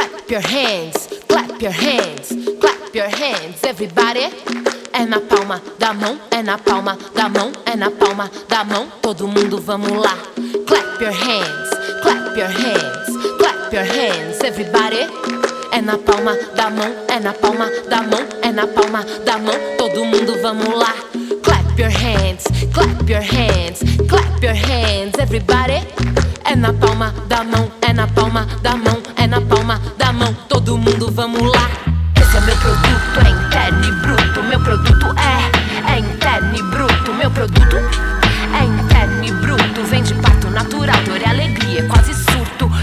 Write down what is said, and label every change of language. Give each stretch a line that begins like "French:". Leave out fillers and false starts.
English: your hands, clap your hands, clap your hands, everybody.
Portuguese: É na palma da mão, é na palma da mão, é na palma da mão, todo mundo vamos lá.
English: Clap your hands, clap your hands, clap your hands, everybody.
Portuguese: É na palma da mão, é na palma da mão, é na palma da mão, todo mundo vamos lá.
English: Clap your hands, clap your hands, clap your hands, everybody.
Portuguese: É na palma da mão, é na palma da mão, é na palma da mão, todo mundo vamos lá. Esse é meu produto, é interno e bruto, meu produto é interno e bruto, meu produto é interno e bruto, vem de parto natural, dor e alegria, quase surto.